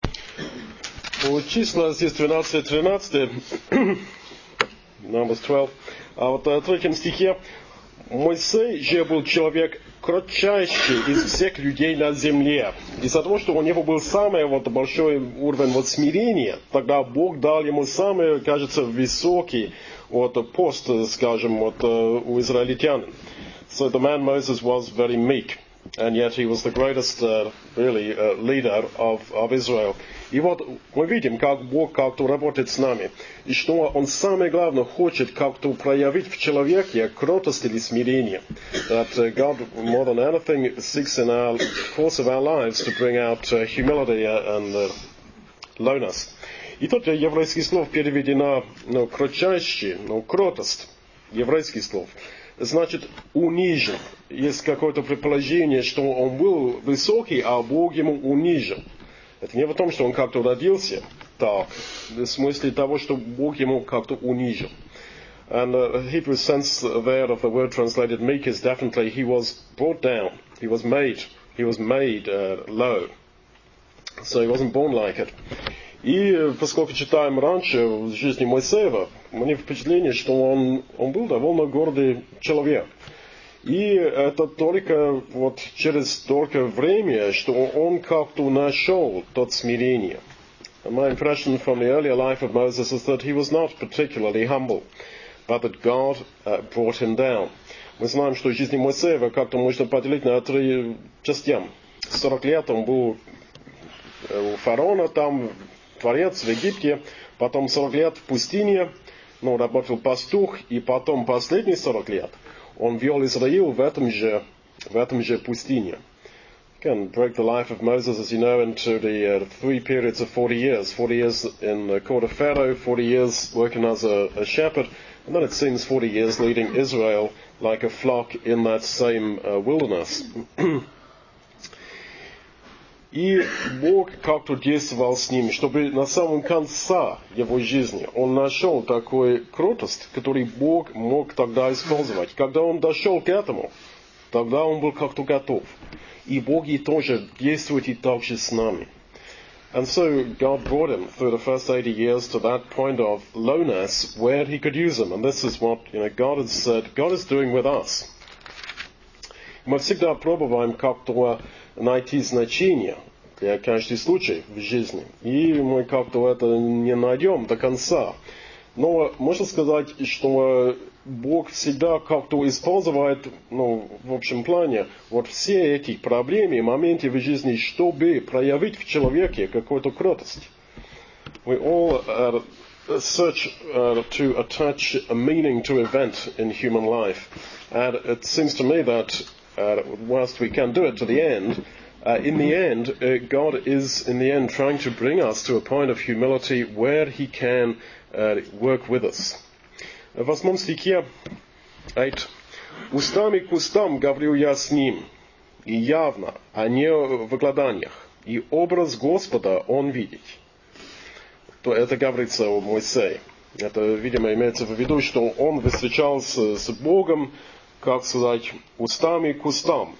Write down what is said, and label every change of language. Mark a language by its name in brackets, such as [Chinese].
[Russian] У числа здесь 12:13, а вот в третьем стихе Моисей же был человек кратчайший из всех людей на земле. Из-за того, что у него был самый вот большой уровень вот смирения, тогда Бог дал ему самый, кажется, высокий вот пост, скажем, вот у израильтян. [English] So the man Moses was very meek, and yet he was the greatest, really, leader of Israel. [Russian] И вот мы видим, как Бог как-то работает с нами. И что Он самое главное хочет как-то проявить в человеке кротость или смирение. [English] That God, more than anything, seeks in our course of our lives to bring out humility and lowness. [Russian] И тут еврейский слов переведено, ну, кротчайщий, ну, кротость, еврейский слов. Значит, унижен. Есть какое-то предположение, что он был высокий, а Бог ему унижен. Это не в том, что он как-то родился так, в смысле того, что Бог ему как-то унижен. [English] And the Hebrew sense there of the word translated meek is definitely he was brought down, he was made low. So he wasn't born like it. [Russian] И поскольку читаем раньше в жизни Моисеева, у меня впечатление, что он был довольно гордый человек. И это только вот через столько времени, что он как-то нашел тот смирение. [English] And my impression from the earlier life of Moses is that he was not particularly humble, but that God brought him down. [Russian] Мы знаем, что жизнь Моисеева как-то можно поделить на три части. 40 лет он был у фараона там, творец в Египте, потом 40 лет в пустыне, ну, работал пастух, и потом последние 40 лет он вел Израиль в этом же пустыне. [English] You can break the life of Moses, as you know, into the three periods of 40 years. 40 years in the court of Pharaoh, 40 years working as a shepherd, and then it seems 40 years leading Israel like a flock in that same wilderness. [Russian] И Бог как-то действовал с ним, чтобы на самом конце его жизни он нашел такую кротость, которую Бог мог тогда использовать. Когда он дошел к этому, тогда он был как-то готов. И Бог тоже действует и так же с нами. [English] And so God brought him through the first 80 years to that point of lowness where he could use him. And this is what, you know, God has said, God is doing with us. [Russian] Мы всегда пробуем как-то найти значение для каждого случая в жизни. И мы как-то это не найдем до конца. Но можно сказать, что Бог всегда как-то использует, ну, в общем плане, вот все эти проблемы, моменты в жизни, чтобы проявить в человеке какую-то кротость. [English] We all search to attach a meaning to event in human life. And it seems to me that whilst we can do it to the end, in the end, God is in the end trying to bring us to a point of humility where He can work with us. [Russian] В восьмом стихе 8. Устами к устам говорю я с ним, и явно, а не в окладаниях, и образ Господа он видит. То это говорится о Моисее. Это, видимо, имеется в виду, что он встречался с Богом, как сказать, устами к устам.